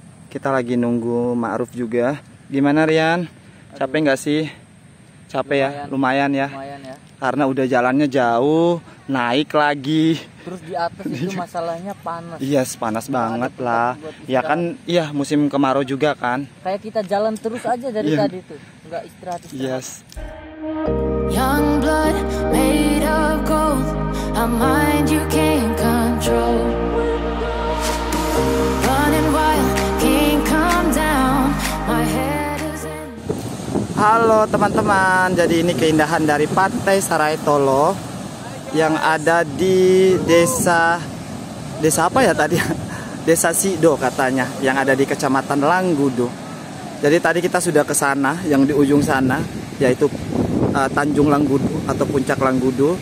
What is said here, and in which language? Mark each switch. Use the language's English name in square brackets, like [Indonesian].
[Indonesian] Kita lagi nunggu Ma'ruf juga. Gimana Rian? Capek nggak sih? Capek lumayan, ya? Lumayan ya. Karena udah jalannya jauh, naik lagi. Terus di atas itu masalahnya panas. Iya, yes, panas gak banget lah. Ya kan, iya musim kemarau juga kan. Kayak kita jalan terus aja dari yeah. Tadi tuh, nggak istirahat. Yes. [English] Young blood made of gold, a mind you can't control. Running wild, can't calm down, my head is in. [Indonesian] Halo teman-teman, jadi ini keindahan dari Pantai Serai Tolo yang ada di desa apa ya tadi? Desa Sido katanya, yang ada di Kecamatan Langgudu. Jadi tadi kita sudah ke sana, yang di ujung sana yaitu Tanjung Langgudu atau Puncak Langgudu.